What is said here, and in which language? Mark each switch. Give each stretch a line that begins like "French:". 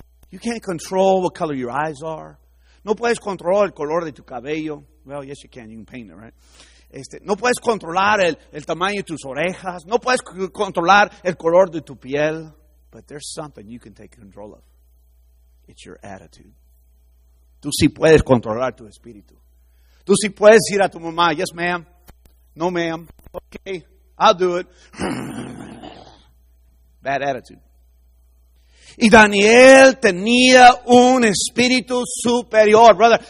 English: You can't control what color your eyes are.
Spanish: No puedes controlar el color de tu cabello.
English: Well, yes, you can. You can paint it, right?
Spanish: No puedes controlar el tamaño de tus orejas. No puedes controlar el color de tu piel.
English: But there's something you can take control of. It's your attitude.
Spanish: Tú sí puedes controlar tu espíritu. Tú sí puedes decir a tu mamá,
English: yes, ma'am. No, ma'am. Okay, I'll do it. Bad attitude.
Spanish: Y Daniel tenía un espíritu superior, brother.